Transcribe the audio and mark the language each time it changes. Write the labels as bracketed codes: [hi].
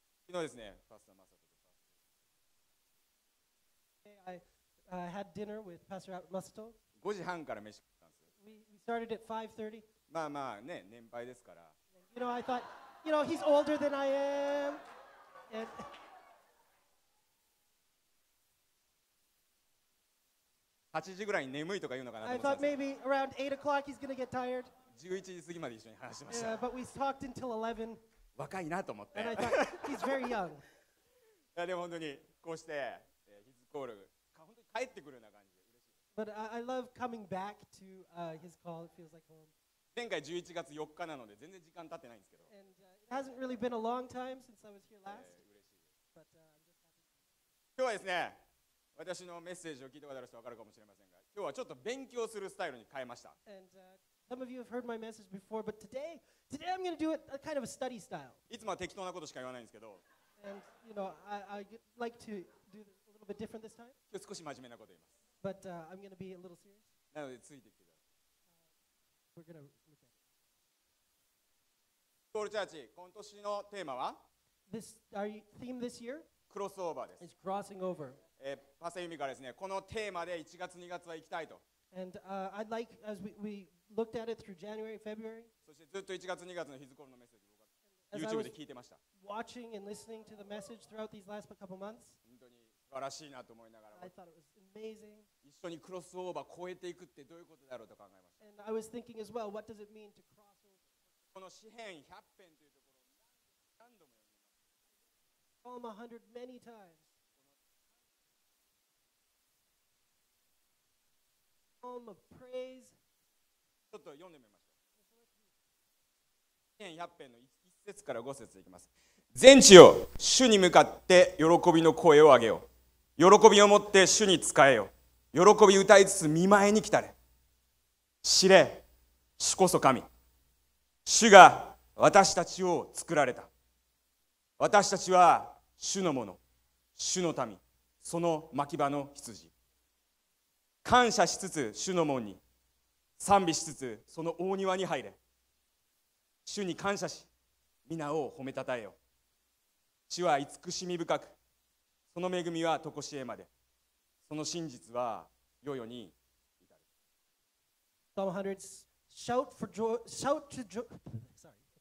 [ja] 昨日ですね、パスターマサトとパスター。 [en] I had dinner with Pastor Masato. [ja] 5時半から飯食ったんですよ。 [en] We started at 5:30. [ja] まあまあね、年配ですから。 [en] You know, I thought, you know, he's older than I am. And [ja] 8時ぐらいに眠いとか言うのかなと思って。 [en] I thought maybe around 8 o'clock he's gonna get tired. [ja] 11時過ぎまで一緒に話しました。 [en] Yeah, but we talked until 11. [ja] 若いなと思って。 [en] Thought, He's very young. [ja] いやでも本当にこうして、ヒズコール、本当に帰ってくるような感じで嬉しい。 [en] But I love coming back to his call. It feels like home. [ja] 前回11月4日なので全然時間経ってないんですけど。 [en] And it hasn't really been a long time since I was here last. [ja] 嬉しい。 [en] But I'm just happy. [ja] 今日はですね、私のメッセージを聞いた方は分かるかもしれませんが、今日はちょっと勉強するスタイルに変えました。 [en] And, Some of you have heard my message before, but today I'm going to do it a kind of a study style. [ja] いつもは適当なことしか言わないんですけど。 [en] And you know, I'd like to do this a little bit different this time. [ja] 今日少し真面目なこと言います。 [en] But I'm going to be a little serious. [ja] なのでついてきてください。 [en] We're going to look at it. [ja] ソウルチャーチ、今年のテーマは [en] This our theme this year? [ja] クロスオーバーです。 [en] Is crossing over. [ja] パセユミからですね、このテーマで1月2月は行きたいと。 [en] And I'd like as we looked at it through January, February. [ja] そしてずっと1月2月のヒズコールのメッセージ。YouTube で聞いてました。 [en] Watching and listening to the message throughout these last couple months. [ja] 本当に素晴らしいなと思いながら。 [en] I thought it was amazing. [ja] 一緒にクロスオーバー超えていくってどういうことだろうと考えました。 [en] And I was thinking as well, what does it mean to cross over? [ja] この詩篇100編というところを何度も読みました。 [en] Psalm 100 many times. Psalm of praise. [ja] ちょっと読んでみましょう。詩篇100編の節から5節いきます。全地よ、主に向かって喜びの声を上げよ。喜びを持って主に仕えよ。喜び歌いつつ見舞いに来たれ。知れ、主こそ神。主が私たちを作られた。私たちは主のもの、主の民、その牧場の羊。感謝しつつ主の門に、賛美しつつその大庭に入れ。主に感謝し、皆を褒めたたえよ。主は慈しみ深く、その恵みはとこしえまで、その真実は世々に至る。 [en] Psalm 100 is shout for joy, shout to joy, sorry.